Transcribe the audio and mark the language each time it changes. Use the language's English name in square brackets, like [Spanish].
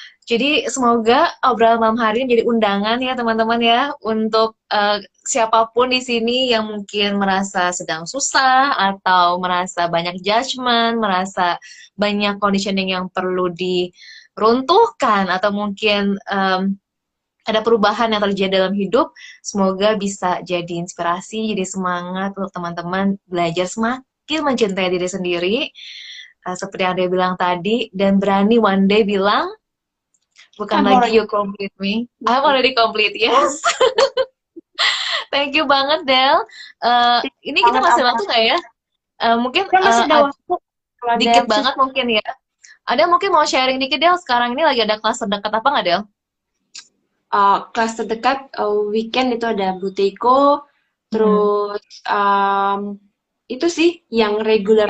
[Indonesian] Jadi semoga obrolan malam hari ini jadi undangan ya teman-teman ya, untuk siapapun di sini yang mungkin merasa sedang susah atau merasa banyak judgement, merasa banyak conditioning yang perlu diruntuhkan, atau mungkin ada perubahan yang terjadi dalam hidup, semoga bisa jadi inspirasi, jadi semangat untuk teman-teman belajar semakin mencintai diri sendiri, seperti yang dia bilang tadi, dan berani [English] one day [Indonesian] bilang, bukan [English] I'm [Indonesian] lagi [English] you complete me, I'm already complete, yes. Thank you [Indonesian] banget, Del. Ini kita masih waktu nggak ya? Mungkin dikit banget mungkin ya. Ada mungkin mau sharing dikit, Del, sekarang ini lagi ada kelas terdekat apa nggak, Del? Kelas terdekat, weekend itu ada Buteiko, terus itu sih yang regular